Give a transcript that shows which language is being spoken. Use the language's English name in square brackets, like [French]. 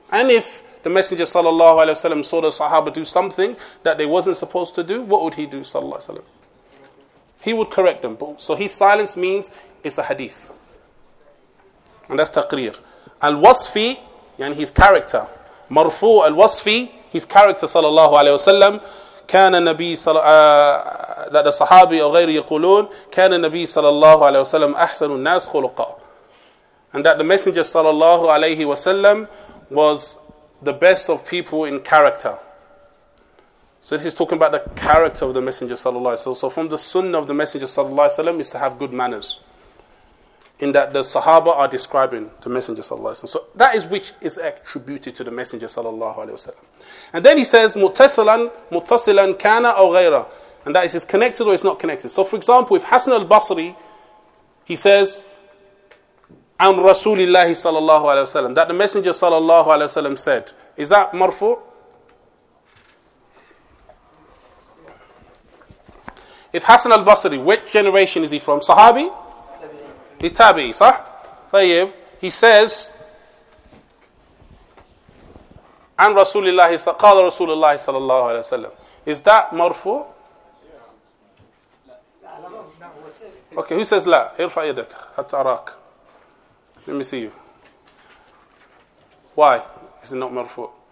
[English] And if the Messenger sallallahu alayhi wa sallam saw the Sahaba do something that they wasn't supposed to do, what would he do, sallallahu alayhi wa sallam? He would correct them. So his silence means it's a hadith. And that's taqrir. Al-wasfi, yani his character. Marfu al-wasfi, his character sallallahu alayhi wa sallam. [Arabic] كان النبي صلى [English] that the Sahabi or [Arabic] غيره يقولون كان النبي صلى الله عليه وسلم أحسن الناس خلقا, [English] and that the Messenger صلى الله عليه وسلم was the best of people in character. So this is talking about the character of the Messenger صلى الله عليه وسلم. So from the Sunnah of the Messenger صلى الله عليه وسلم is to have good manners, in that the Sahaba are describing the Messenger صلى الله عليه وسلم. So that is which is attributed to the Messenger صلى الله عليه وسلم. And then he says, [Arabic] متصلاً كان أو غيرا. [English] And that is, it's connected or it's not connected. So for example, if Hassan al-Basri, he says, [Arabic] عن رسول الله صلى الله عليه وسلم, [English] that the Messenger صلى الله عليه وسلم said, is that مرفوع? If Hassan al-Basri, which generation is he from? Sahabi? He's Tabi'i, sah? Tayyib. He says, [Arabic] عن رسول الله قال رسول الله صلى الله عليه وسلم. [English] Is that مرفوع? Okay, who says لا? [Arabic] ارفع يدك حتى أراك. [English] Let me see you. Why is it not مرفوع?